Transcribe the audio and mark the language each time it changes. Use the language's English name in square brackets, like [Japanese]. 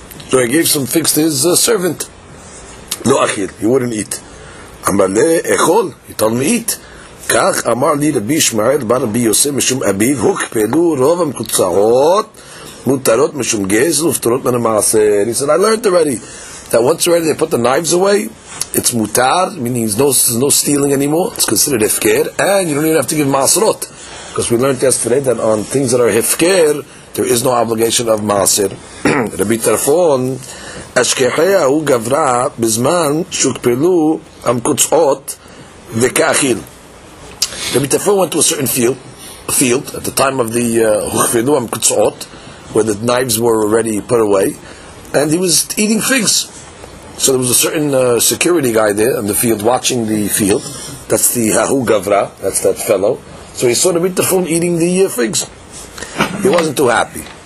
[English] So he gave some figs to his servant. No achil, he wouldn't eat. He told him to eat. [Hebrew] כך אמר לי רבי ישמעאל בן רבי יוסף משום אביו הוקפלו רוב המקוצעות מותרות משום גזל ופטורות מן המעשר. [English] He said, I learned already that once already they put the knives away, it's mutar, meaning there's no stealing anymore, it's considered hefker, and you don't even have to give maasrot, because we learned yesterday that on things that are hefker there is no obligation of maasir. [Aramaic] רבי טרפון אשכחיה הוא גברה בזמן שהוקפלו המקוצעות וכאכיל. [English] Rabbi Tefon went to a certain field at the time of the Hukhfilu Amkutsot, where the knives were already put away, and he was eating figs. So there was a certain security guy there in the field, watching the field. That's the Hahu Gavra, that's that fellow. So he saw Rabbi Tefon eating the figs. He wasn't too happy.